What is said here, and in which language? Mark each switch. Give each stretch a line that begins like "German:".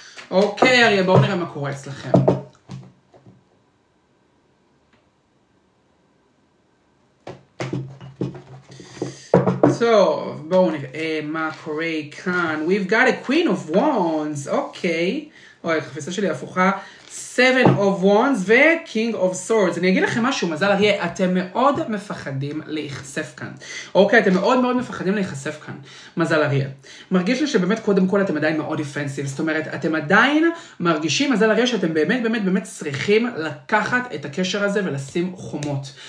Hebrew: אוקיי, אריה, בואו נראה מה קורה אצלכם. טוב, בואו נראה מה קורה כאן.
English: We've got a queen of wands.
Hebrew: אוקיי. אוי, החפיסה שלי הפוכה.
English: seven of wands וking of swords.
Hebrew: אני אגיד לכם משהו, מזל אריה, אתם מאוד מפחדים להיחשף כאן. אוקיי, אתם מאוד מאוד מפחדים להיחשף כאן. מזל אריה. מרגיש לי שבאמת קודם כל אתם עדיין מאוד דיפנסיב. זאת אומרת, אתם עדיין מרגישים, מזל אריה, שאתם באמת באמת באמת צריכים לקחת את הקשר הזה ולשים חומות.